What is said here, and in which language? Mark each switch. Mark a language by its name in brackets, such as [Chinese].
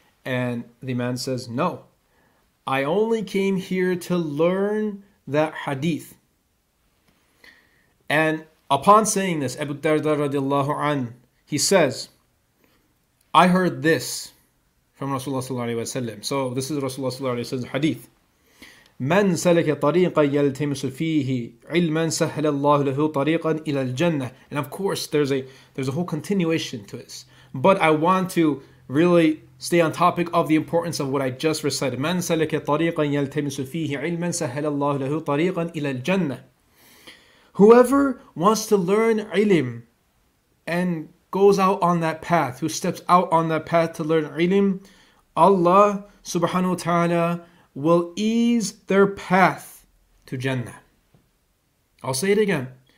[English] And the man says, no, I only came here to learn that hadith. And upon saying this, Abu Darda radiallahu anhu, he says, I heard this from Rasulullah sallallahu alayhi wa sallam. So this is Rasulullah sallallahu alayhi wa sallam's hadith. [Arabic] من سلك طريقا يلتمس فيه علما سهل الله له طريقا إلى الجنة. [English] And of course, there's a whole continuation to this. But I want to really stay on topic of the importance of what I just recited. [Arabic] من سلك طريقا يلتمس فيه علما سهل الله له طريقا إلى الجنة. [English] Whoever wants to learn علم and goes out on that path, who steps out on that path to learn علم, Allah subhanahu wa ta'ala will ease their path to Jannah. I'll say it again.